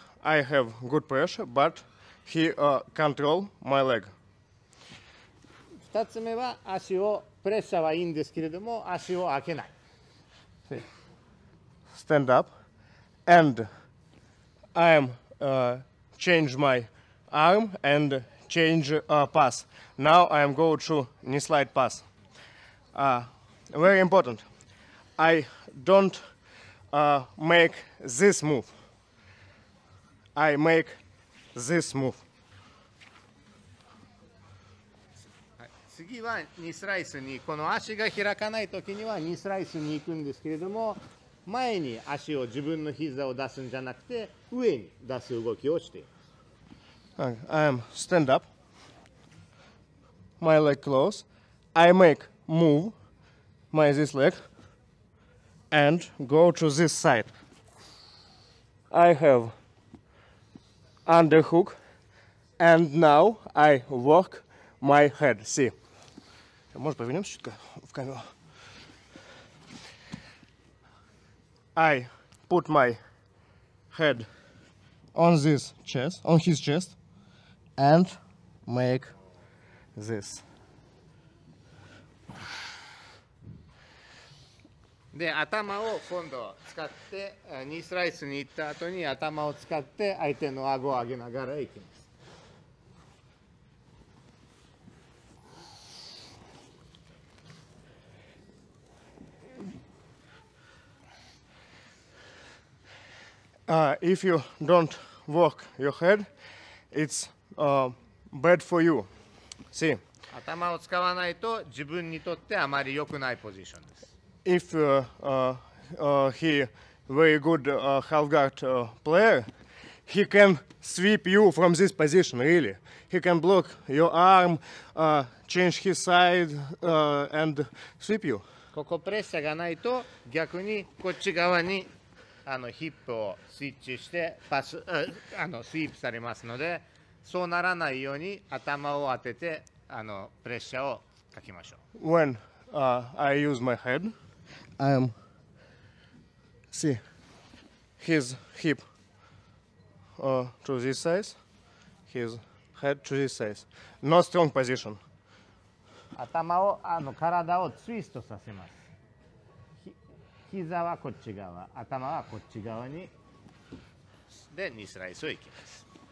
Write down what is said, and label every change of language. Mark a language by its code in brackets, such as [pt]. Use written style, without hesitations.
[en] I have good pressure, but he control my leg. [ja] 2つ目は足をプレッシャーはいいんですけれども足を開けない。 [en] Stand up and I am change my arm and change pass. Now I am go to knee slide pass. Very important. I don't make this move. I make this move. [ja] 次は2スライスに、この足が開かないときには2スライスに行くんですけれども、前に足を自分の膝を出すんじゃなくて、上に出す動きをしています。 [en] I am stand up. My leg close. I make move my this leg and go to this side. I have underhook and now I walk my head. See? [ru] Может, повернемся чуть-чуть в камеру? [en] I put my head on this chest, on his chest, and make this. [ja] で、頭を今度使って、ニースライスに行った後に頭を使って相手の顎を上げながら行きます。 [en] If you don't work your head, it's bad for you. See? [ja] 頭を使わないと自分にとってあまり良くないポジションです。 [en] If he very good half guard player, he can sweep you from this position, really. He can block your arm, change his side, and sweep you. [ja] ここプレッシャーがないと逆にこっち側にヒップをスイッチしてパス、スイープされますので、そうならないように頭を当ててプレッシャーをかけましょう。 [en] When I use my head, I am see his hip to this size, his head to this size. No strong position. [ja] 頭を体をツイストさせます。膝はこっち側、頭はこっち側に。で、2スライスをいきます。